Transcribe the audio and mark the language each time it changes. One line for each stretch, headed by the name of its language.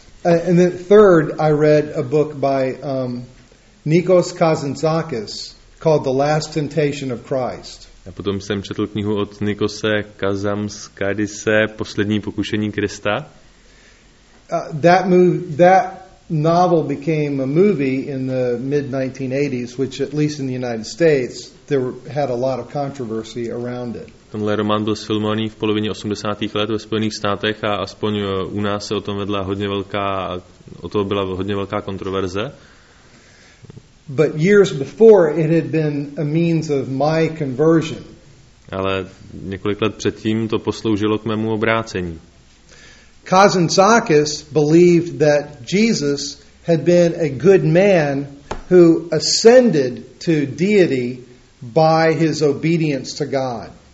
English: And then third, I read a book by Nikos Kazantzakis called The Last Temptation of Christ.
Czech: A potom jsem četl knihu od Nikose Kazantzakise Poslední pokušení Krista.
English: That novel became a movie in the mid 1980s, which at least in the United States there had a lot of controversy around it.
Czech: Tenhle román byl sfilmovaný v polovině 80. let ve Spojených státech a aspoň u nás se o tom byla hodně velká kontroverze.
English: But years before it had been a means of my conversion.
Czech: Ale několik let předtím to posloužilo k mému obrácení.
English: Kazantzakis believed that Jesus had been a good man who ascended to deity by his obedience to God.